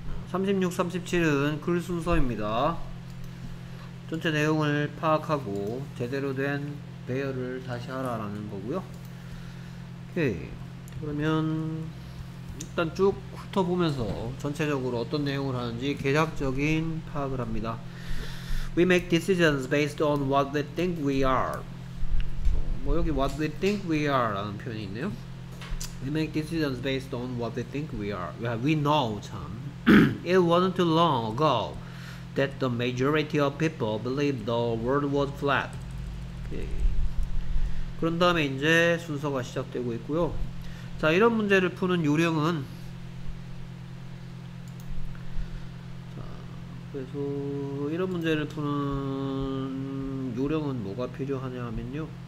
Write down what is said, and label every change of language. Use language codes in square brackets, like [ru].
[ko] 36, 37은 글 순서입니다. 전체 내용을 파악하고 제대로 된 배열을 다시 하라라는 거고요. 오케이. 그러면 일단 쭉 훑어보면서 전체적으로 어떤 내용을 하는지 개략적인 파악을 합니다. [en] We make decisions based on what they think we are. [ko] 뭐 여기 [en] what they think we are [ko] 라는 표현이 있네요. [en] We make decisions based on what they think we are. We know, [ko] 참. [en] It wasn't too long ago that the majority of people believed the world was flat. Okay. [ko] 그런 다음에 이제 순서가 시작되고 있고요. 자, 이런 문제를 푸는 요령은, 그래서 이런 문제를 푸는 요령은 뭐가 필요하냐 하면요.